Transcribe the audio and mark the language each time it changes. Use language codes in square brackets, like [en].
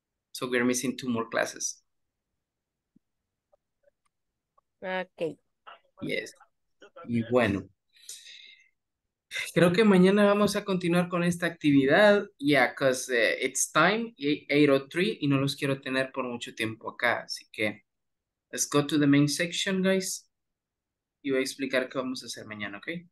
[en] So we're missing 2 more classes. Ok. Yes. [es] Y bueno, creo que mañana vamos a continuar con esta actividad. [en] Yeah, because it's time, [es] 8:03, y no los quiero tener por mucho tiempo acá. Así que, [en] let's go to the main section, guys. [es] Y voy a explicar qué vamos a hacer mañana, ok?